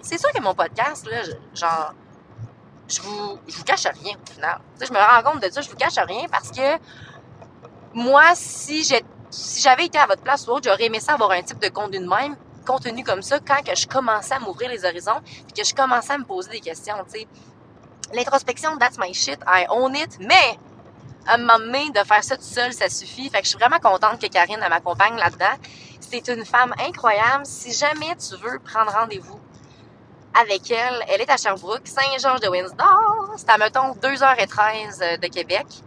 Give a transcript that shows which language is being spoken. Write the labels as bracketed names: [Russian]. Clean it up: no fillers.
[French] C'est sûr que mon podcast, là, je vous cache rien, au final. T'sais, je me rends compte de ça, je vous cache rien, parce que moi, si j'avais été à votre place ou autre, j'aurais aimé ça avoir un type de contenu comme ça quand que je commençais à m'ouvrir les horizons et que je commençais à me poser des questions. T'sais. [English] L'introspection, that's my shit, I own it, mais... [French] À un moment donné, de faire ça tout seul, ça suffit. Fait que je suis vraiment contente que Karine, elle m'accompagne là-dedans. C'est une femme incroyable. Si jamais tu veux prendre rendez-vous avec elle, elle est à Sherbrooke, Saint-Georges-de-Windsor. C'est à, mettons, 2h13 de Québec.